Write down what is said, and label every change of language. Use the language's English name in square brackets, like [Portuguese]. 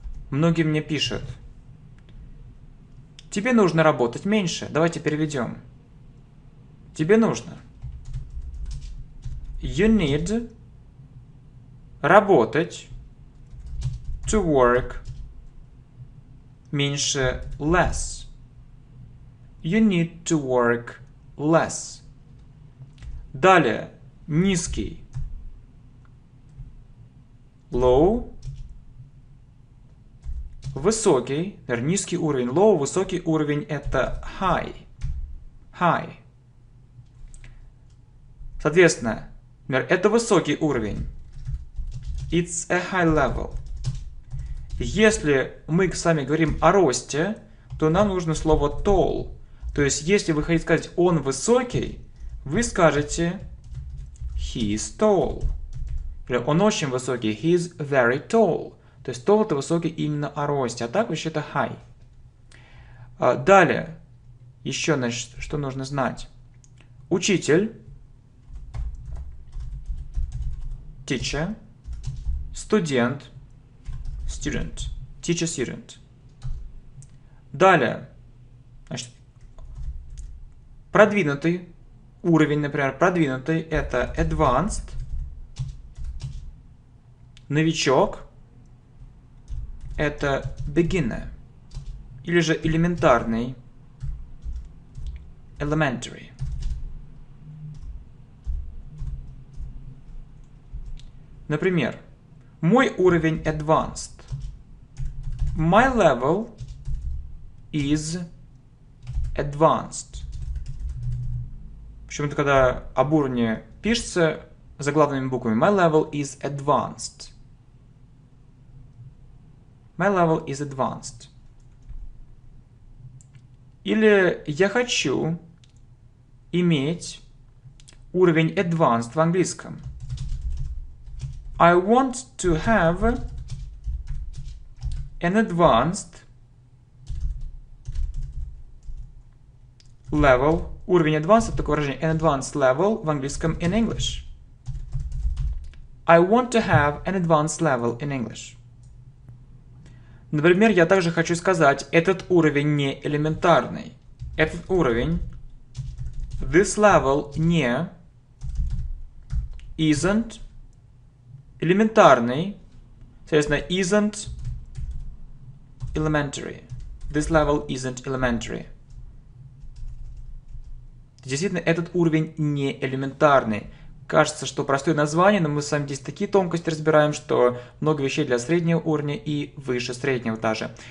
[Russian] Многие мне пишут. Тебе нужно работать меньше. Давайте переведем. Тебе нужно. [English] You need [Russian] работать [English] to work [Russian] меньше [English] less. You need to work less. [Russian] Далее. Низкий. [English] Low. [Russian] Высокий. Наверное, низкий уровень. [English] Low. [Russian] Высокий уровень – это high. [English] High. [Russian] Соответственно, например, это высокий уровень. [English] It's a high level. [Russian] Если мы с вами говорим о росте, то нам нужно слово tall. То есть, если вы хотите сказать «он высокий», вы скажете [English] «he is tall». [Russian] Или «он очень высокий», [English] «he is very tall». [Russian] То есть, tall – это высокий именно о росте, а так вообще это high. Далее, еще, значит, что нужно знать. Учитель, [English] teacher, [Russian] студент, [English] student, teacher, student. [Russian] Далее, значит, продвинутый уровень, например, продвинутый – это advanced, новичок – это beginner, или же элементарный – elementary. Например, мой уровень advanced. [English] My level is advanced. [Russian] Почему-то, когда об уровне пишется заглавными буквами, [English] my level is advanced. My level is advanced. [Russian] Или я хочу иметь уровень advanced в английском. [English] I want to have an advanced level. [Russian] Уровень advanced – это такое выражение [English] an advanced level [Russian] в английском [English] in English. I want to have an advanced level in English. [Russian] Например, я также хочу сказать, этот уровень не элементарный. Этот уровень, [English] this level, [Russian] не, isn't, элементарный, соответственно, [English] isn't elementary. This level isn't elementary. [Russian] Действительно, этот уровень не элементарный. Кажется, что простое название, но мы с вами здесь такие тонкости разбираем, что много вещей для среднего уровня и выше среднего даже.